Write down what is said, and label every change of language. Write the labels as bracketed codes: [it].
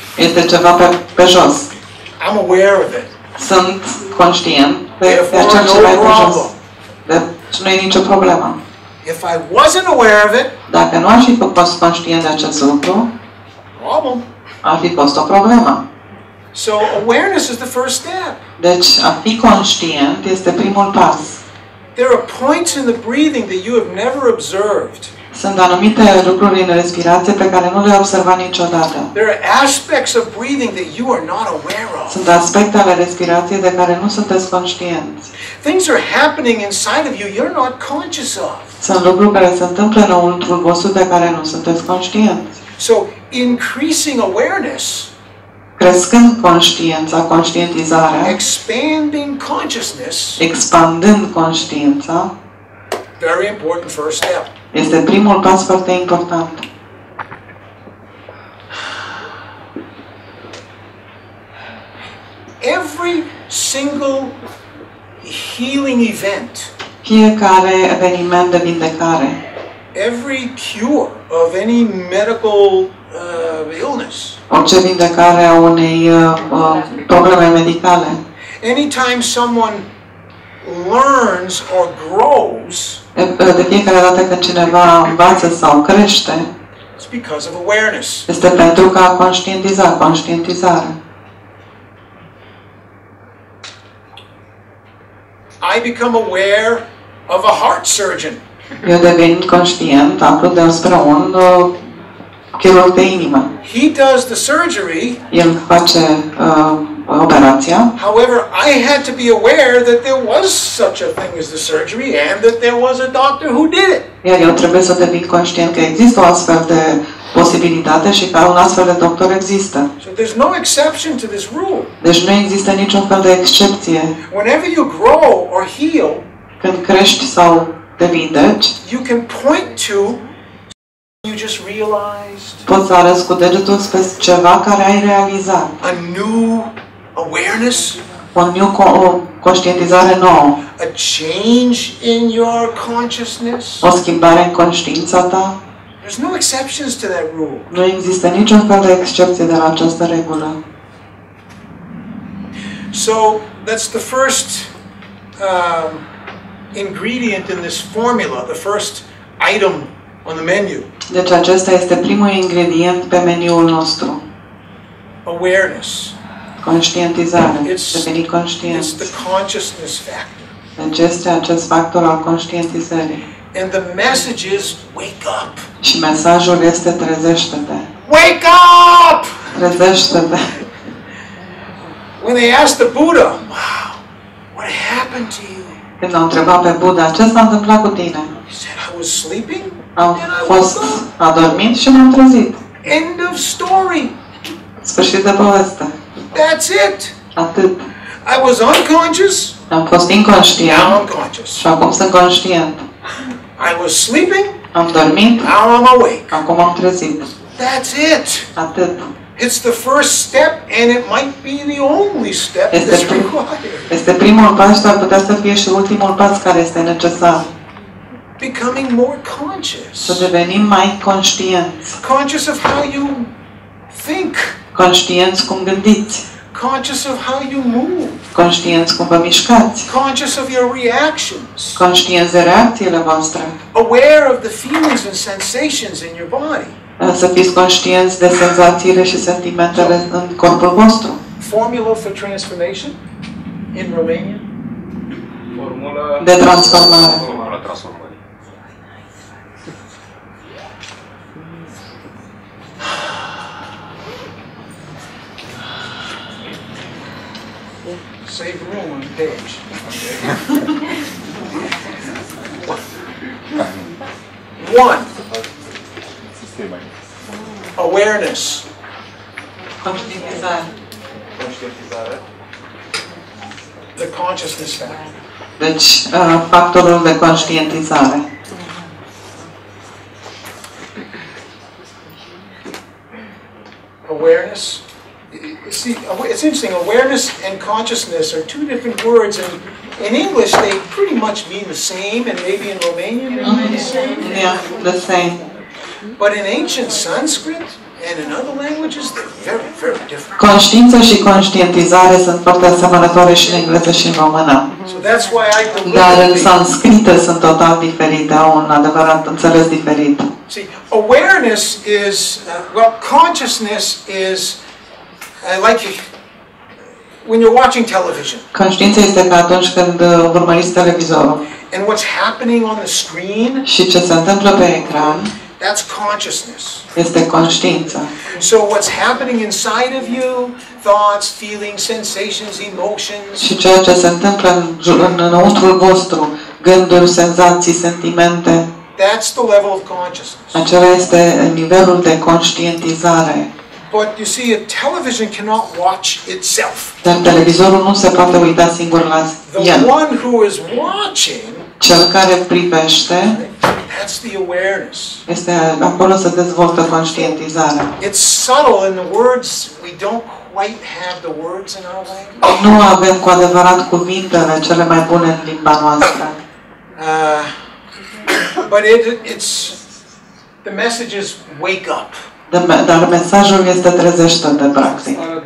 [ro] Este ceva pe jos. [en] I'm aware of it. [ro] Sunt conștient de acel ceva pe jos. Deci nu e nicio problemă. [en] If I wasn't aware of it, [ro] dacă nu aș fi fost conștient de acest lucru, ar fi fost o problemă. [en] So awareness is the first step. [ro] Deci a fi conștient este primul pas. [en] There are points in the breathing that you have never observed. [ro] Sunt anumite lucruri în respirație pe care nu le-ai observat niciodată. [en] There are aspects of breathing that you are not aware of. [ro] Sunt aspecte ale respirației de care nu sunteți conștienți. [en] Things are happening inside of you you're not conscious of. [ro] Sunt lucruri care se întâmplă înăuntru vostru de care nu sunteți conștienți. [en] So increasing awareness. [ro] Crescând conștiința, conștientizarea. [en] Expanding consciousness. [ro] Expandând conștiința. [en] Very important first step. [ro] Este primul pas foarte important. [en] Every single healing event. [ro] Fiecare eveniment de vindecare. [en] Every cure of any medical illness. [ro] Orice vindecare a unei probleme medicale. [en] Anytime someone learns or grows. [ro] De fiecare dată când cineva învață sau crește. [en] It's because of awareness. [ro] Este pentru că a conștientizat, conștientizare. [en] I become aware of a heart surgeon. [ro] Eu devin conștient aproape despre un chirurg de inimă. [en] He does the surgery. [ro] El face operația. [en] However, I had to be aware that there was such a thing as the surgery and that there was a doctor who did it. [ro] Iar eu trebuie să devin conștient că există o astfel de posibilitate și că un astfel de doctor există. [en] So there's no exception to this rule. [ro] Deci nu există niciun fel de excepție. [en] Whenever you grow or heal, [ro] când crești sau devindeci, [en] you can point to you just realized. [ro] Poți să arăți cu degetul spre ceva care ai realizat. [en] A new awareness, [ro] o new conștientizare nouă. [en] A change in your consciousness. [ro] O schimbare în conștiința ta. [en] There's no exceptions to that rule. [ro] Nu există niciun fel de excepție de la această regulă. [en] So that's the first ingredient in this formula, the first item on the menu. [ro] Deci acesta este primul ingredient pe meniul nostru. [en] Awareness. [ro] Conștientizare. Deveni conștient. [en] It's the consciousness factor. [ro] Deci este acest factor al conștientizării. [en] And the message is wake up. [ro] Și mesajul este trezește-te. [en] Wake up! [ro] Trezește-te. [en] When they asked the Buddha, wow, what happened to you? [ro] Când l-au întrebat pe Buddha, ce s-a întâmplat cu tine? [en] I was sleeping. [ro] Am fost adormit și m-am trezit. [en] End of story. [ro] Sfârșit de poveste. [en] That's it. [ro] Atât. [en] I was unconscious. [ro] Am fost inconștient. [en] Now I'm unconscious. [ro] Și acum sunt conștient. [en] I was sleeping. [ro] Am dormit. [en] Now I'm awake. [ro] Acum m-am trezit. [en] That's it. [ro] Atât. [en] It's the first step and it might be the only step that's required. [ro] Este primul pas, dar putea să fie și ultimul pas care este necesar. [en] Becoming more conscious. [ro] Să devenim mai conștienți. [en] Conscious of how you think. [ro] Conștienți cum gândiți. [en] Conscious of how you move. [ro] Conștienți cum vă mișcați. [en] Conscious of your reactions. [ro] Conștienți de reacțiile voastre. [en] Aware of the feelings and sensations in your body. [ro] Să fiți conștienți de senzațiile și sentimentele în corpul vostru. [en] Formula for transformation in Romania. [ro] Formula de transformare. [en] Save room on the page. One. Awareness. [ro] Conștientizare. [en] The consciousness factor. [ro] Deci, factorul de conștientizare. [en] Awareness. See, it's interesting. Awareness. awareness and consciousness are two different words, and in English they pretty much mean the same, and maybe in Romanian they mean the same. Yeah, the same. But in ancient Sanskrit and in other languages, they're very, very different. [ro] Conștiință și conștientizare sunt foarte asemănătoare și în engleză și în română. [en] So that's why I believe. [ro] Dar în sanscrită sunt total diferite, au un adevărat înțeles diferit. [en] See, awareness is, well, consciousness is, like when you're watching television. [ro] Conștiința este ca atunci când urmăriți televizorul. [en] And what's happening on the screen? [ro] Și ce se întâmplă pe ecran? [en] That's consciousness. [ro] Este conștiința. [en] So what's happening inside of you? Thoughts, feelings, sensations, emotions. [ro] Și ceea ce se întâmplă înăuntrul vostru, gânduri, senzații, sentimente. [en] That's the level of consciousness. [ro] Acela este nivelul de conștientizare. [en] But you see, a television cannot watch itself. [ro] Dar televizorul nu se poate uita singur la el. [en] The one who is watching. [ro] Cel care privește. [en] That's the awareness. [ro] Este acolo să dezvoltă conștientizarea. [en] It's subtle in the words. We don't quite have the words in our language. [ro] Nu avem cu adevărat cuvintele cele mai bune în limba noastră. [en] But it's the message is wake up. [ro] Dar mesajul este trezește-te, practic.